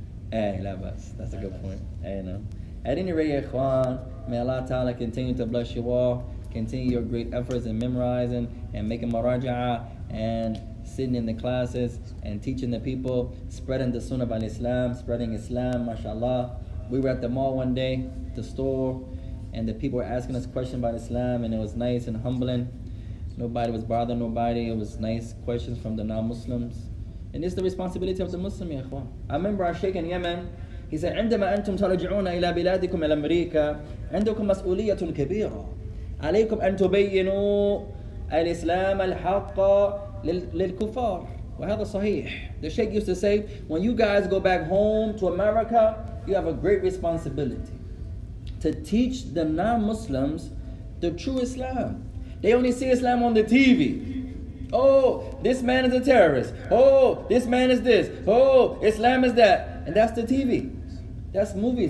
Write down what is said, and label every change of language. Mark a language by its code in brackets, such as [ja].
[en] That's a good point. At any rate, ikhwan, may Allah Ta'ala continue to bless you all, continue your great efforts in memorizing and making maraja'ah and sitting in the classes and teaching the people, spreading the sunnah of al-Islam, spreading Islam, mashallah. We were at the mall one day, the store, and the people were asking us questions about Islam, and it was nice and humbling. Nobody was bothering nobody. It was nice questions from the non-Muslims. And it's the responsibility of the Muslim, ya ikhwan. I remember our sheikh in Yemen, he said, [ar] عندما أنتم ترجعون إلى بلادكم إلى أمريكا عندكم مسؤولية كبيرة عليكم أن تبينوا الإسلام الحق للكفار. وهذا صحيح. [en] The sheikh used to say, when you guys go back home to America, you have a great responsibility to teach the non-Muslims the true Islam. They only see Islam on the TV. Oh, this man is a terrorist. Oh, this man is this. Oh, Islam is that. And that's the TV. That's movies.